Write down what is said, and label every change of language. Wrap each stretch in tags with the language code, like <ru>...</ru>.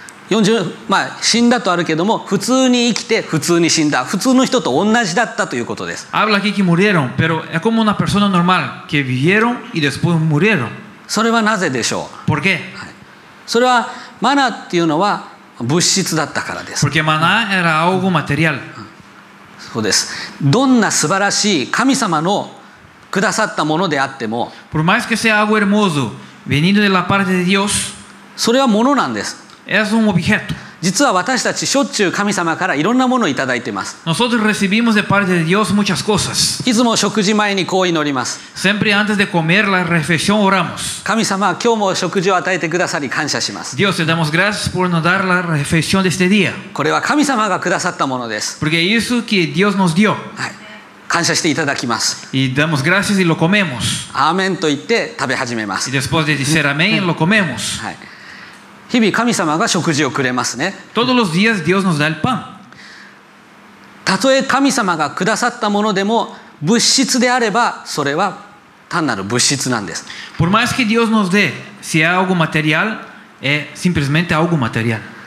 <ja>死んだとあるけども、普通に生きて普通に死んだ、普通の人と同じだったということです。</ja> <es>Habla aquí que murieron, pero es como una persona normal que vivieron y después murieron.</es> <ja>それはなぜでしょう。</ja> <es>Por qué?</es> <ja>それはマナっていうのは物質だったからです。</ja> <es>Porque maná era algo material.</es> <ja>そうです。どんな素晴らしい神様のくださったものであっても、</ja> <es>Por más que sea algo hermoso venido de la parte de Dios,</es> <ja>それはものなんです。</ja> <es>Es un objeto.</es> <ja>実は私たちしょっちゅう神様からいろんなものをいただいています。</ja> <es>Nosotros recibimos de parte de Dios muchas cosas.</es> <ja>いつも食事前にこう祈ります。</ja> <es>Siempre antes de comer la refección oramos.</es> <ja>神様、今日も食事を与えてくださり感謝します。</ja> <es>Dios, te damos gracias por nos dar la refección de este día.</es> <ja>これは神様がくださったものです。</ja> <es>Porque eso que Dios nos dio.</es> <ja>はい。感謝していただきます。</ja> <es>Y damos gracias y lo comemos.</es> <ja>アーメンと言って食べ始めます。</ja> <es>Y después de decir amén, lo comemos.</es> <ja>はい。日々神様が食事をくれますね。</ja> <es>Todos los días Dios nos da el pan。</es> <ja>たとえ神様がくださったものでも物質であればそれは単なる物質なんです。</ja> <es>Por más que Dios nos dé, si hay algo material, es simplemente algo material。</es>